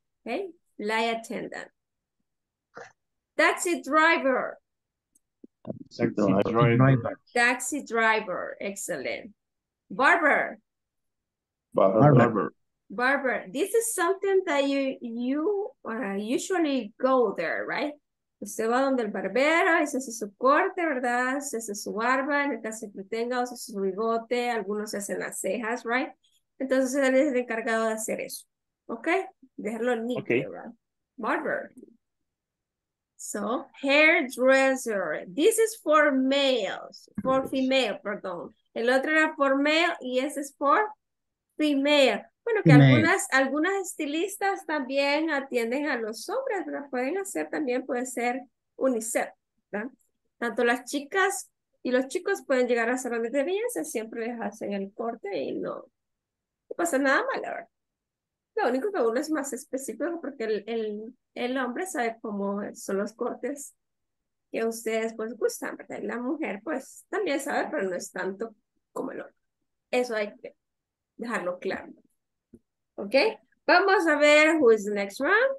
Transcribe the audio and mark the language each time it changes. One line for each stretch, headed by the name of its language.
English: Okay, flight attendant. Taxi driver. Taxi driver. Taxi driver, excellent. Barber. Barber. Barber, this is something that you usually go there, right?
Spanish: Usted va donde el barbero, ese es su corte, ¿verdad? Ese es su barba, en el caso que tenga, o sea, su bigote, algunos se hacen las cejas, right? Entonces él es el encargado de hacer eso, ¿ok? Dejarlo
English: neat, okay.
Spanish: ¿Verdad?
English: Barber. So, hairdresser. This is for males, for female,
Spanish: perdón. El otro era
English: for male
Spanish: y ese es
English: for female.
Spanish: Bueno, que algunas estilistas también atienden a los hombres, ¿verdad? Pueden hacer también, puede ser unisex, ¿verdad? Tanto las chicas y los chicos pueden llegar a salones de belleza, siempre les hacen el corte y no pasa nada mal, ¿verdad? Lo único que uno es más específico porque el hombre sabe cómo son los cortes que ustedes pues gustan, ¿verdad? Y la mujer pues también sabe, pero no es tanto como el hombre. Eso hay que dejarlo claro.
English: Okay,
Spanish: vamos a ver
English: who is the next one.